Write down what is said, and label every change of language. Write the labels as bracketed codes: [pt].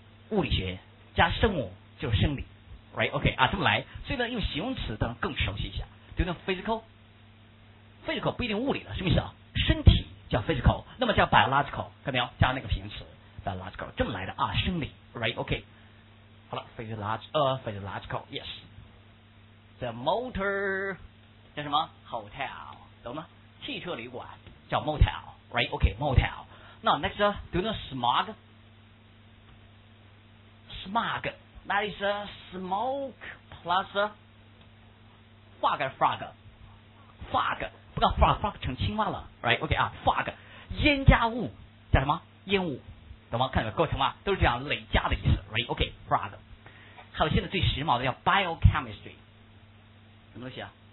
[zh] 物理学加生物就是生理。 [en] Right, OK, [zh] 啊，这么来，所以呢，用形容词当然更熟悉一下，就用 physical 不一定物理的，什么意思啊？身体叫 physical， 那么叫 biological， 看到没有？加那个形容词 biological， 这么来的啊，生理。 [en] Right, OK, [zh] 好了 [en] ，physiological, yes, the motor [zh] 叫什么 [en] ？hotel， [zh] 懂吗？汽车旅馆叫 motel， [en] right, OK, [zh] motel。 那 next， 就用 smog。 [en] That is a smoke plus a fog [zh] 不叫 frog 成青蛙了 [en] right okay [zh] 啊 fog 烟加雾叫什么烟雾懂吗看有没有构成吗都是这样累加的意思 right okay fog 还有现在最时髦的叫 biochemistry 什么东西啊